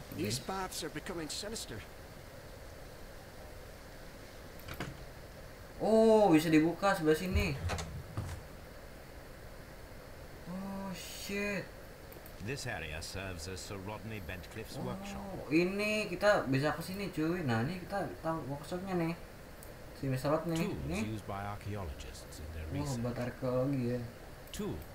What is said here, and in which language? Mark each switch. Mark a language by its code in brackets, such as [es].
[en] These paths are becoming sinister. [id] Oh bisa dibuka sebelah sini. [en] Oh shit. This area serves as Sir Rodney Bentcliffe's oh, workshop. [id] Ini kita bisa ke sini cuy. Nah, ini kita tahu workshopnya nih. Si Mr. Rodney nih. [en] Used by archaeologists in their research. [id] Oh, buat arkeologi ya. [en] Two.